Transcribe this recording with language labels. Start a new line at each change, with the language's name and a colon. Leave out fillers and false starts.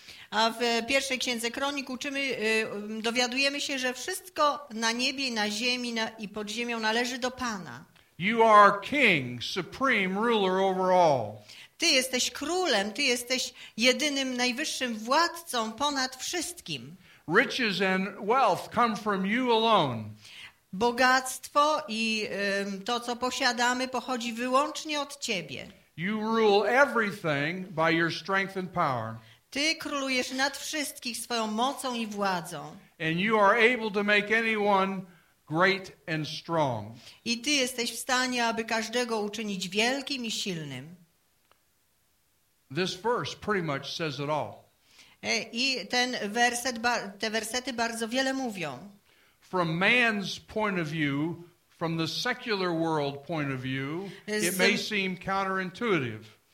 Polish: A w pierwszej księdze kronik uczymy, dowiadujemy się, że wszystko na niebie, na ziemi i pod ziemią należy do Pana.
English: You are king, supreme ruler over all.
Polish: Ty jesteś królem, ty jesteś jedynym najwyższym władcą ponad wszystkim.
English: Riches and wealth come from you alone.
Polish: Bogactwo i to, co posiadamy, pochodzi wyłącznie od Ciebie.
English: You rule everything by your strength and power.
Polish: Ty królujesz nad wszystkich swoją mocą i władzą.
English: And you are able to make anyone great and strong.
Polish: I ty jesteś w stanie, aby każdego uczynić wielkim i silnym.
English: This verse pretty much says it all.
Polish: I ten werset, te wersety bardzo wiele mówią.
English: From man's point of view, from the secular world point of view, it may seem counterintuitive.